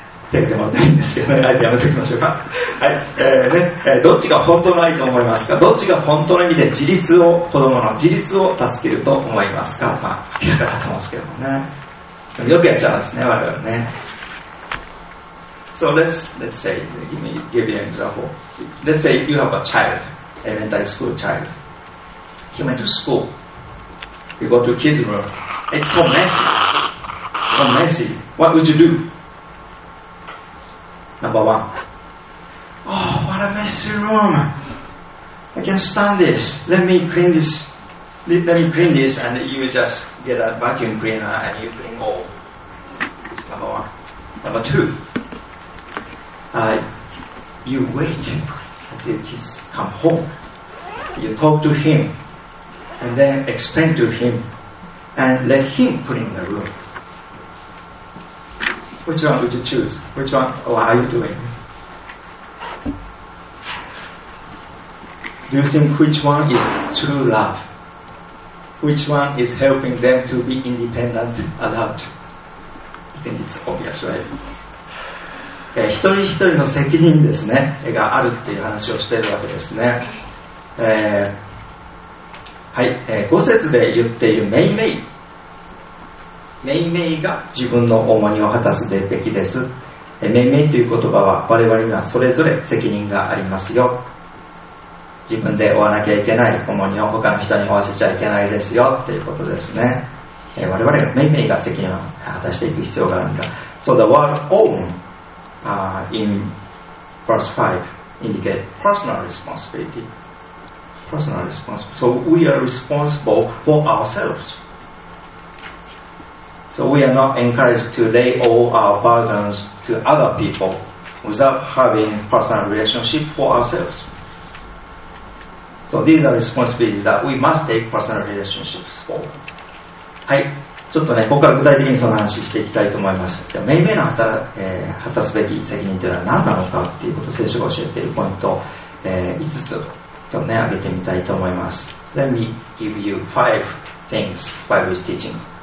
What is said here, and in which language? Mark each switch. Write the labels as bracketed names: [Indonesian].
[Japanese] 手を挙げてもらっていいんですけどね、あえてやめておきましょうか。はい、どっちが本当の愛と思いますか？どっちが本当の意味で自立を、子供の自立を助けると思いますか？まあ、言う方と思うんですけどね、よくやっちゃうんですね、我々ね。 [English] So let's say, give you an example. Let's say you have a child, elementary school child. He went to school. You go to kids room. It's so messy. So messy. What would you do? Number one. Oh, what a messy room. I can't stand this. Let me clean this and you just get a vacuum cleaner and you clean all. Number one. Number two. You wait until kids come home. You talk to him and then explain to him and let him clean the room. Which one would you choose? Which one? Oh, how are you doing? Do you think which one is true love? Which one is helping them to be independent adult? I think it's obvious, right? [Japanese] 一人一人の責任ですね、があるっていう話をしているわけですね。はい、五節で言っているメイメイ。めいめいが自分の重荷を果たすべきです。めいめいという言葉は我々にはそれぞれ責任がありますよ。自分で負わなきゃいけない重荷を他の人に負わせちゃいけないですよということですね。我々がめいめいが責任を果たしていく必要があるんだ。 [English] So the word own in verse 5 indicates personal responsibility. Personal responsibility. So we are responsible for ourselvesSo we are not encouraged to lay all our burdens to other people without having personal relationship for ourselves. So these are responsibilities that we must take personal relationships for. [Japanese] はい、ちょっとね、ここから具体的にその話していきたいと思います。じゃあ、めいめいの果たすべき責任というのは何なのかっていうことを聖書が教えているポイントを、5つ、今日ね、挙げてみたいと思います。 [English] Let me give you five things Bible is teaching.